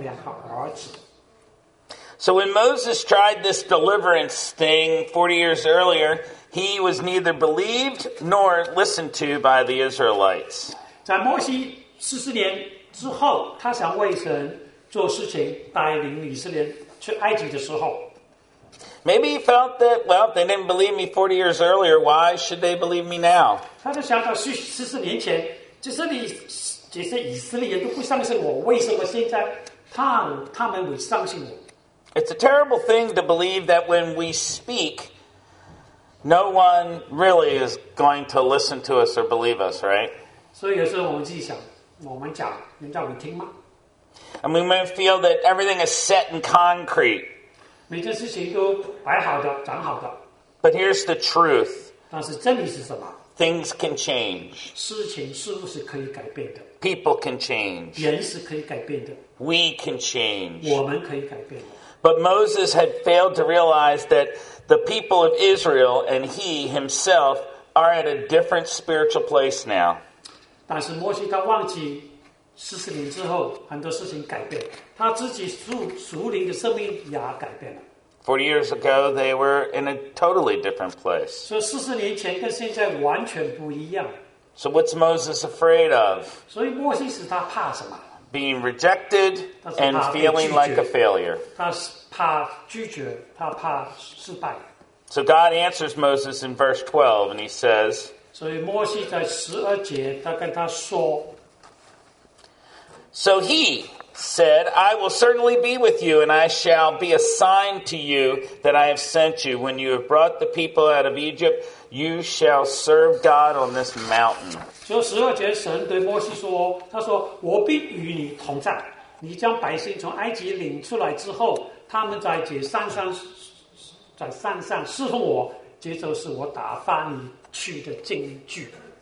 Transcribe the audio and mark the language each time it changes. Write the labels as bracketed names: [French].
[Chinese] 说：“谁立你做我们的首领和审判官呢？难道你要杀我，像昨天杀了埃及人吗？”摩西听见这话，就逃了，寄居于米甸，在那里生了两个儿子。 [English] So when Moses tried this deliverance thing 40 years earlier, he was neither believed nor listened to by the Israelites. [Chinese] 在摩西40年之后，他想为神 做事情，带领以色列去埃及的时候， [English] maybe he felt that, well, they didn't believe me 40 years earlier. Why should they believe me now? [Chinese] 他就想到十四年前，这些以色列都不相信我，为什么现在他们会相信我？ [English] It's a terrible thing to believe that when we speak, no one really is going to listen to us or believe us, right? [Chinese] 所以有时候我们自己想，我们讲，人家会听吗？ [English] And we might feel that everything is set in concrete. [Chinese] 每件事情都摆好的,长好的。 [English] But here's the truth. [Chinese] 但是真理是什么? [English] Things can change. [Chinese] 事情是不是可以改变的? [English] People can change. [Chinese] 人是可以改变的。 [English] We can change. [Chinese] 我们可以改变的。 [English] But Moses had failed to realize that the people of Israel and he himself are at a different spiritual place now. 40 years ago, they were in a totally different place. So what's Moses afraid of? Being rejected and feeling like a failure. [Chinese] 他怕拒绝,他怕失败。 [English] So God answers Moses in verse 12, and he says, [Chinese] 所以摩西在12节,他跟他说, [English] So he said, I will certainly be with you, and I shall be a sign to you that I have sent you. When you have brought the people out of Egypt, you shall serve God on this mountain. [Chinese] 就十二节神对摩西说,他说,我必与你同在,你将百姓从埃及领出来之后, 他们在山上侍奉我,接受是我打发你去的证据。